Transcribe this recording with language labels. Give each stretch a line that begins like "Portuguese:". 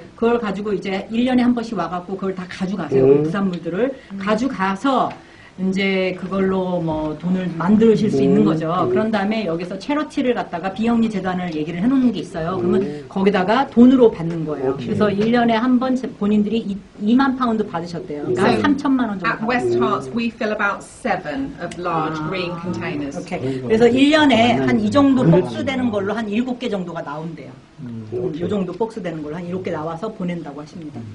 Korean: 그걸 가지고 이제 1년에 한 번씩 와갖고, 그걸 다 가져가세요. 부산물들을. 가져가서, 이제 그걸로 뭐 돈을 만드실 수 있는 거죠. 그런 다음에 여기서 체러티를 갖다가 비영리 재단을 얘기를 해놓는 게 있어요. 그러면 거기다가 돈으로 받는 거예요. 그래서 1년에 한 번 본인들이 2만 파운드 받으셨대요. 그러니까
English: so
Korean: 3천만 원 정도
English: At West Hearts, we fill about 7 of large green containers. Okay.
Korean: 그래서 1년에 한 이 정도 복수 되는 걸로 한 7개 정도가 나온대요. 이 정도 복수 되는 걸로 한 7개 나와서 보낸다고 하십니다.